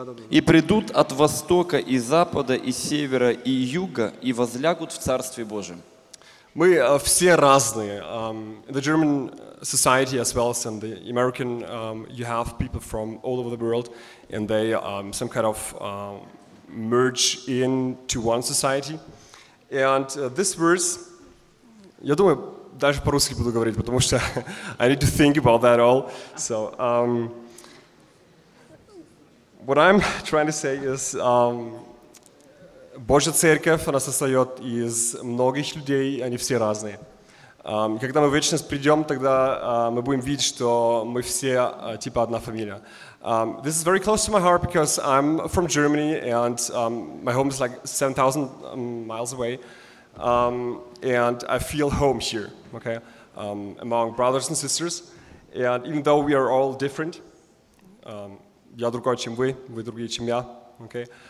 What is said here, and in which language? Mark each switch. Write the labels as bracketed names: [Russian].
[Russian] И придут от востока, и запада, и севера, и юга, и возлягут в Царстве Божьем. Мы все разные. [English] In the German society, as well as in the American, you have people from all over the world, and they some kind of merge into one society. And this verse. [Russian] Я думаю, даже по-русски буду говорить, потому что [English] I need to think about that all. So, what I'm trying to say is, [Russian] Божья Церковь, она состоит из многих людей, они все разные. Когда мы в вечность придем, тогда мы будем видеть, что мы все типа одна фамилия. [English] This is very close to my heart because I'm from Germany and my home is like 7,000 miles away. And I feel home here, okay, among brothers and sisters. And even though we are all different, [Russian] я другой, чем вы другие, чем я, [English] okay.